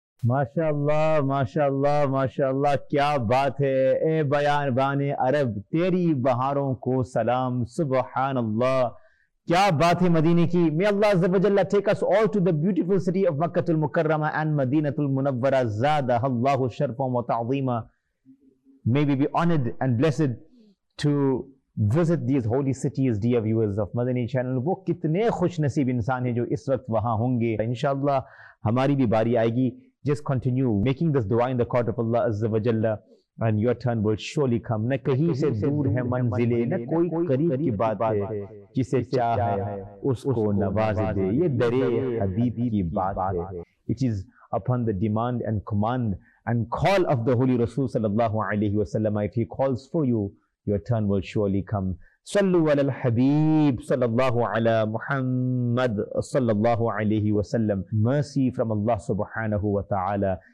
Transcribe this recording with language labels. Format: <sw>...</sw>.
<ur>ماشاءاللہ ماشاءاللہ ماشاءاللہ کیا بات ہے اے بیان بان عرب تیری بہاروں کو سلام سبحان اللہ کیا بات ہے مدینے کی.</ur> <en>May Allah عز و جل take us all to the beautiful city of Makkah المکرمہ and مدینہ المنورہ</en> <ar>زادہ اللہ شرفا و تعظیما.</ar> <en>May we be honored and blessed to visit these holy cities, dear viewers of Madani Channel.</en> <ur>وہ کتنے خوش نصیب انسان ہیں جو اس وقت وہاں ہوں گے. انشاءاللہ ہماری بھی باری آئے گی.</ur> <en>Just continue making this dua in the court of Allah Azza wa Jalla and your turn will surely come.</en> <ur>نہ کہیں سے دور ہے منزل نہ کوئی قریب کی بات ہے جسے چاہا ہے اس کو نواز دے یہ درے حبیب کی بات ہے.</ur> <en>It is upon the demand and command and call of the Holy Rasul sallallahu alayhi wa sallam. If he calls for you, your turn will surely come.</en> <ar>صلوا على الحبيب صلى الله على محمد صلى الله عليه وسلم.</ar> <en>Mercy from Allah subhanahu wa ta'ala.</en>